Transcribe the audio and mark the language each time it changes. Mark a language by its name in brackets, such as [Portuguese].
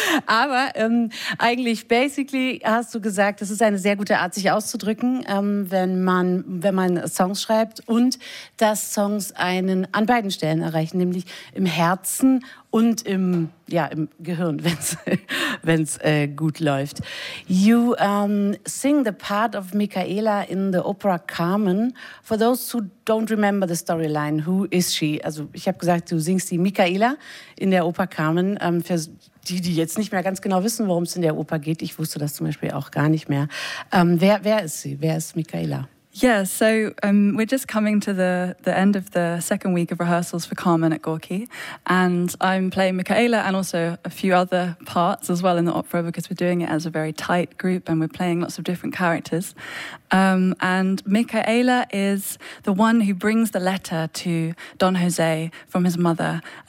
[German] Aber eigentlich, basically, hast du gesagt, das ist eine sehr gute Art, sich auszudrücken, wenn man Songs schreibt und dass Songs einen an beiden Stellen erreichen, nämlich im Herzen und im Gehirn, wenn's gut läuft. [English] You sing the part of Michaela in the opera Carmen. For those who don't remember the storyline, who is she? [German] Also ich habe gesagt, du singst die Michaela in der Oper Carmen. Für die jetzt nicht mehr ganz genau wissen, worum es in der Oper geht. Ich wusste das zum Beispiel auch gar nicht mehr. Wer ist sie? Wer ist Michaela? [English] Yeah, so we're just coming to the end of the second week of rehearsals for Carmen at Gorki, and I'm playing Michaela and also a few other parts as well in the opera because we're doing it as a very tight group and we're playing lots of different characters. And Michaela is the one who brings the letter to Don Jose from his mother.